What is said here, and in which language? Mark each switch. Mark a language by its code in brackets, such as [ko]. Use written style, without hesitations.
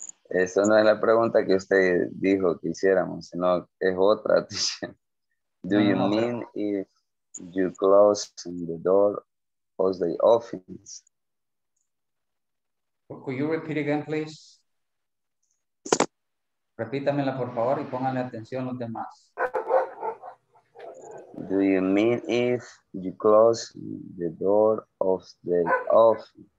[es] Eso no es la pregunta que usted dijo que hiciéramos, sino es otra. [en] Do you mean if you close the door of the office? Could you repeat again, please? [es] Repítamela, por favor, y pónganle atención los demás. [en] Do you mean if you close the door of the office?